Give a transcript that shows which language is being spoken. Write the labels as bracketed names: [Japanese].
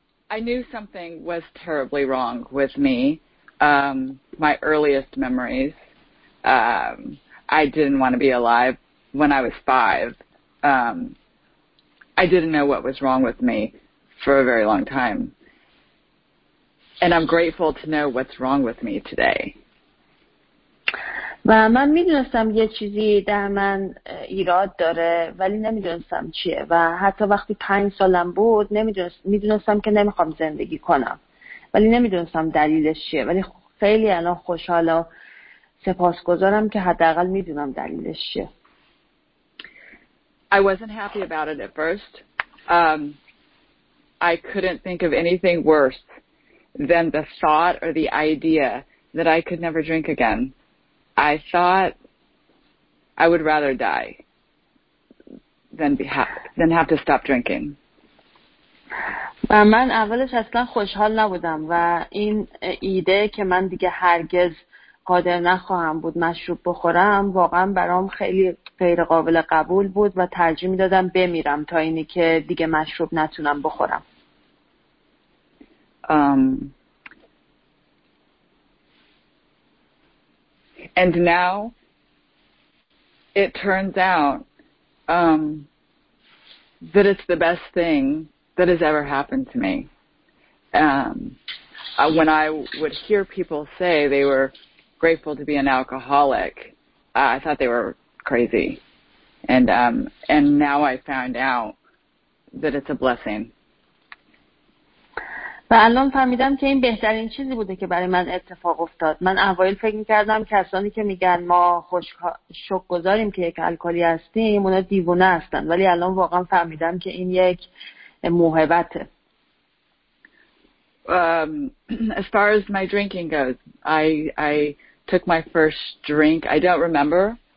[English] I knew something was terribly wrong with me. My earliest memories. I didn't want to be alive when I was 5. I didn't know what was wrong with me for a very long time. And I'm grateful to know what's wrong with me today. [Persian] و من میدونستم یه چیزی در من ایراد داره، ولی نمیدونستم چیه. و حتی وقتی 5 سالم بود میدونستم که نمیخوام زندگی کنم، ولی نمیدونستم دلیلش چیه. ولی خیلی الان خوشحال و سپاسگزارم که حداقل میدونم دلیلش چیه. [English] I wasn't happy about it at first. I couldn't think of anything worse than the thought or the idea that I could never drink again. I thought I would rather die than have to stop drinking. [Persian] من اولش اصلا خوشحال نبودم و این ایده که من دیگه هرگز قادر نخواهم بود مشروب بخورم واقعا برام خیلی غیر قابل قبول بود و ترجیح میدادم بمیرم تا اینی که دیگه مشروب نتونم بخورم. [English] And now it turns out that it's the best thing that has ever happened to me. When I would hear people say they were grateful to be an alcoholic, I thought they were crazy. And now I found out that it's a blessing. [Persian] و الان فهمیدم که این بهترین چیزی بوده که برای من اتفاق افتاد. من اوایل فکر میکردم کسانی که میگن ما شوک گذاریم که یک الکلی هستیم اونا دیوونه هستن، ولی الان واقعا فهمیدم که این یک موهبته. [English] As far as my drinking goes, I took my first drink. I don't remember.